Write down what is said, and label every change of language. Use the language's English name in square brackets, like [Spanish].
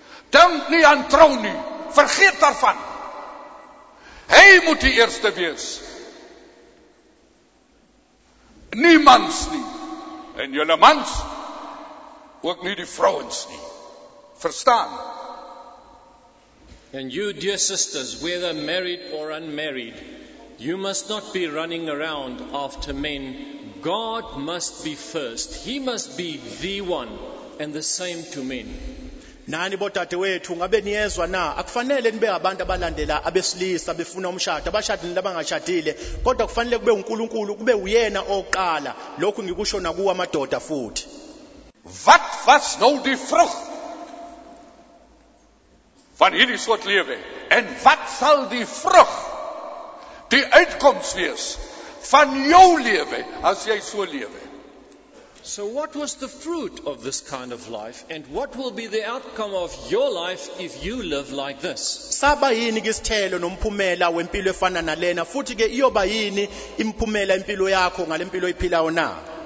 [Afrikaans] Denk nie aan trou nie. Vergeet daarvan. Hy moet die eerste wees. Niemands nie. En julle mans, ook nie die vrouens nie. Verstaan? [English] And you, dear sisters, whether married or unmarried, you must not be running around after men. God must be first. He must be the one and the same to men. [Zulu] Nani bodadewethu ngabe niyezwa na akufanele nibe abantu abalandela abesilisa befuna umshado abashadile labangashadile kodwa kufanele kube uNkulunkulu kube uyena oqala lokho ngikusho na kuwa amadoda futhi. [Afrikaans] Wat was nou die vrug van hierdie soort lewe? En wat sal die vrug die uitkoms wees van jou lewe as jy so lewe? [English] So what was the fruit of this kind of life and what will be the outcome of your life if you live like this? [Zulu] Saba yini ke sithelo nomphumela wempilo efana nalena futhi ke iyoba yini imphumela impilo yakho ngale mpilo oyiphilayo na?